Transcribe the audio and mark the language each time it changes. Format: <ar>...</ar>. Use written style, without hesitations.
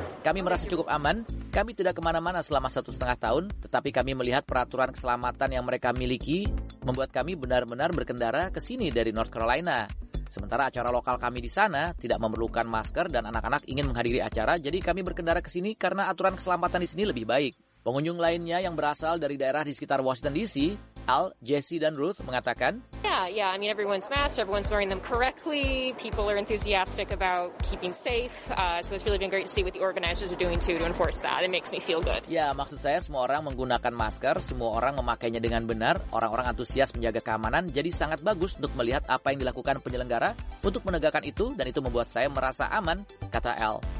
<id>"Kami merasa cukup aman. Kami tidak kemana-mana selama 1,5 tahun, tetapi kami melihat peraturan keselamatan yang mereka miliki membuat kami benar-benar berkendara ke sini dari North Carolina. Sementara acara lokal kami di sana tidak memerlukan masker dan anak-anak ingin menghadiri acara, jadi kami berkendara ke sini karena aturan keselamatan di sini lebih baik." Pengunjung lainnya yang berasal dari daerah di sekitar Washington DC, Al, Jesse, dan Ruth, mengatakan,</id> <en>Yeah, I mean, everyone's masked, everyone's wearing them correctly, people are enthusiastic about keeping safe, so it's really been great to see what the organizers are doing too to enforce that. It makes me feel good."</en> <id>Ya, maksud saya semua orang menggunakan masker, semua orang memakainya dengan benar, orang-orang antusias menjaga keamanan, jadi sangat bagus untuk melihat apa yang dilakukan penyelenggara untuk menegakkan itu, dan itu membuat saya merasa aman, kata Al.</id>